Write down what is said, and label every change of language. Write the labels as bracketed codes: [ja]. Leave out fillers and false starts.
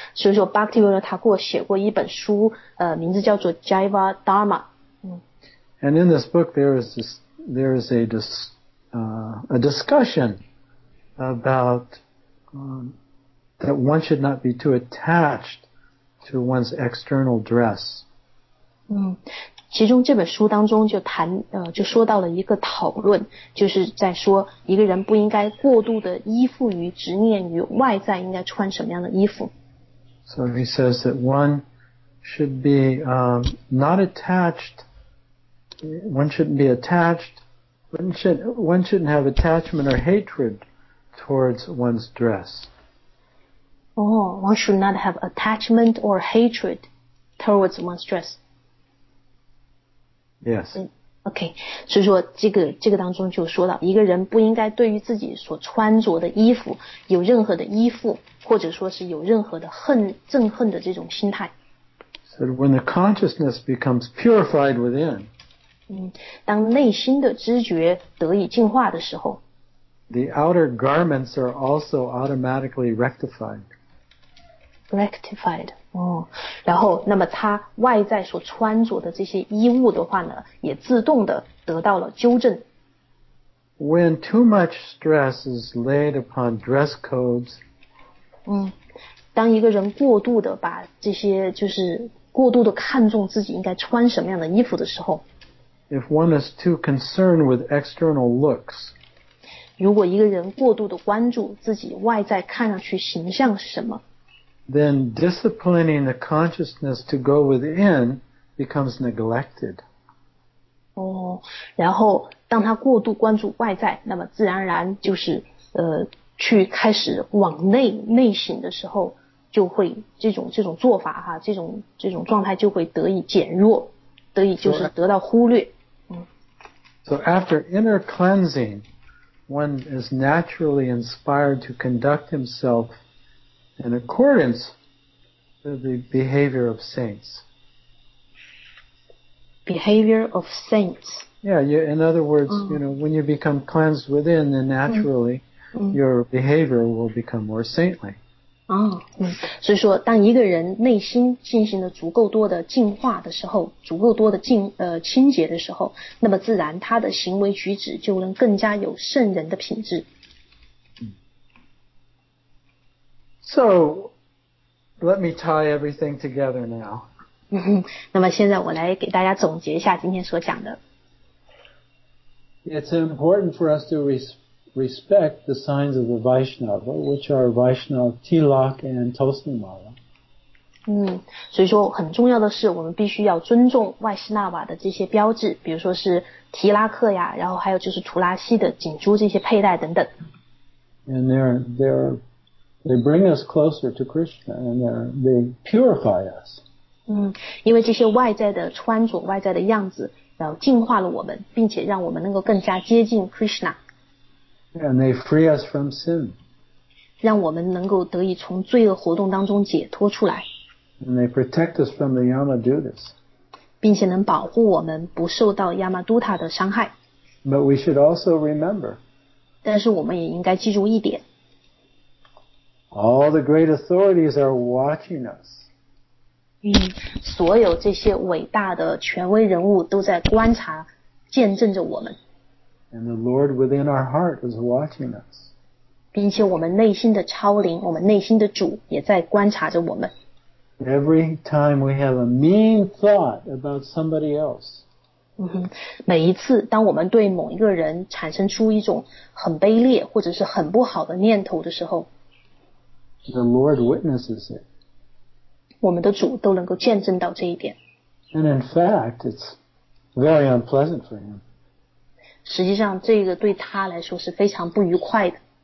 [zh] 所以说 Bhaktivinoda Thakur 写过一本书，名字叫做 Jiva Dharma. [en] And in this book, there is a discussion about that one should not be too attached to one's external dress. [zh] 其中这本书当中就谈就说到了一个讨论，就是在说一个人不应该过度的依附于执念于外在应该穿什么样的衣服。 [en] So he says that one should be not attached. One shouldn't be attached. One shouldn't have attachment or hatred towards one's dress. Oh, one should not have attachment or hatred towards one's dress. Yes. Okay. [zh] 所以说这个当中就说到，一个人不应该对于自己所穿着的衣服有任何的依附，或者说是有任何的憎恨的这种心态。 [en] So when the consciousness becomes purified within, [zh] 当内心的知觉得以净化的时候， [en] the outer garments are also automatically rectified. Rectified. [zh] 然后那么他外在所穿着的这些衣物的话呢，也自动的得到了纠正。 [en] When too much stress is laid upon dress codes, [zh] 当一个人过度的把这些就是过度的看重自己应该穿什么样的衣服的时候， [en] If one is too concerned with external looks, [zh] 如果一个人过度的关注自己外在看上去形象是什么， [en] then disciplining the consciousness to go within becomes neglected. [zh] 然后当他过度关注外在，那么自然而然就是去开始往内省的时候，就会这种做法哈，这种状态就会得以减弱，得以就是得到忽略。 [en] So after inner cleansing, one is naturally inspired to conduct himselfin accordance with the behavior of saints. Behavior of saints. Yeah, in other words, you know, when you become cleansed within, then naturally your behavior will become more saintly. [zh] 所以说当一个人内心进行了足够多的净化的时候，足够多的清洁的时候，那么自然他的行为举止就能更加有圣人的品质。 [en] So, let me tie everything together now. [zh] 那么现在我来给大家总结一下今天所讲的。 [en] It's important for us to respect the signs of the Vaishnava, which are Vaishnava Tilak and Tosnimala. [zh] 所以说很重要的是我们必须要尊重外希纳瓦的这些标志，比如说是提拉克呀，然后还有就是图拉西的锦珠这些佩戴等等。 [en] And they bring us closer to Krishna and they purify us. [zh] 因为这些外在的穿着外在的样子然后净化了我们，并且让我们能够更加接近 Krishna. [en] And they free us from sin. [zh] 让我们能够得以从罪恶活动当中解脱出来。 [en] And they protect us from the Yamadutas. [zh] 并且能保护我们不受到 Yamaduta 的伤害。 [en] But we should also remember. [zh] 但是我们也应该记住一点。 [en] All the great authorities are watching us. [zh] 所有这些伟大的权威人物都在观察，见证着我们。 [en] And the Lord within our heart is watching us. [zh] 并且我们内心的超灵，我们内心的主也在观察着我们。 [en] Every time we have a mean thought about somebody else. [zh] 每一次当我们对某一个人产生出一种很卑劣或者是很不好的念头的时候， [en] The Lord witnesses it. [zh] 我们的主都能够见证到这一点。 [en] And in fact, it's very unpleasant for him. [zh] 实际上这个对他来说是非常不愉快的。